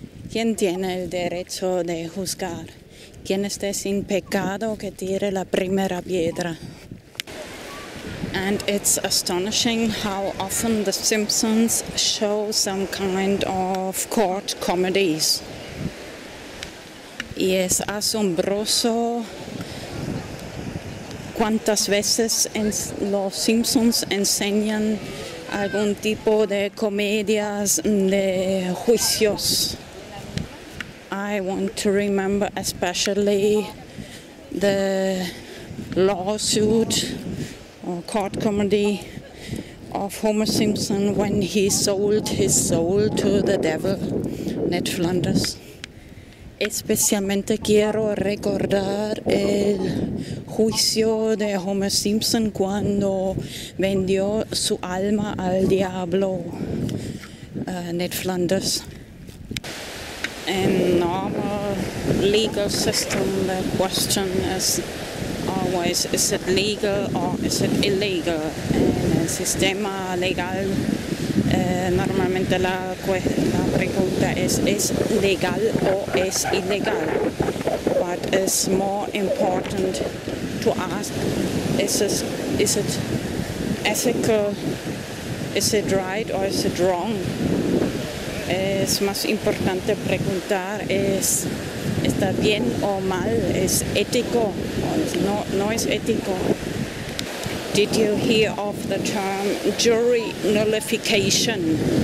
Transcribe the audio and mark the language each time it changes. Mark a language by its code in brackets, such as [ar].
[es] ¿Quién tiene el derecho de juzgar? ¿Quién esté sin pecado que tire la primera piedra? [en] And it's astonishing how often The Simpsons show some kind of court comedies. [es] Y es asombroso cuántas veces los Simpsons enseñan algún tipo de comedias de juicios. [en] I want to remember especially the lawsuit or court comedy of Homer Simpson when he sold his soul to the devil, Ned Flanders. [es] Especialmente quiero recordar el juicio de Homer Simpson cuando vendió su alma al diablo, Ned Flanders. [en] In normal legal system, the question is always, is it legal or is it illegal? [es] En el sistema legal, normalmente la pregunta es legal o es ilegal? [en] But it's more important to ask, is it ethical? Is it right or is it wrong? [es] Es más importante preguntar, ¿está bien o mal? ¿Es ético o no es ético? [en] Did you hear of the term jury nullification?